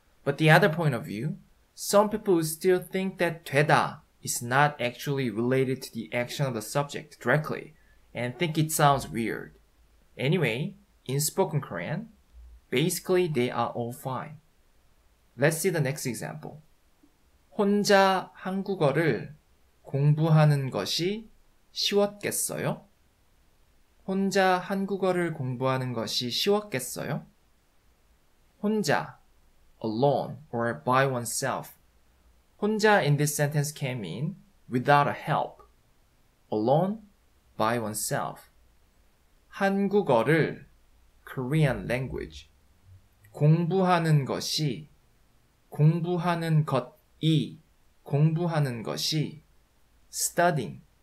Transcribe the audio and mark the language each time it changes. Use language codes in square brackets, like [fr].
[en] But the other point of view, some people still think that 되다 is not actually related to the action of the subject directly and think it sounds weird. Anyway, in spoken Korean, basically they are all fine. Let's see the next example. [ko] 혼자 한국어를 공부하는 것이 쉬웠겠어요? 혼자 한국어를 공부하는 것이 쉬웠겠어요? [en] 혼자, alone, or by oneself. 혼자 in this sentence can mean without a help. Alone, by oneself. 한국어를, Korean language. [ko] 공부하는 것이, 공부하는 것이, 공부하는 것이, studying.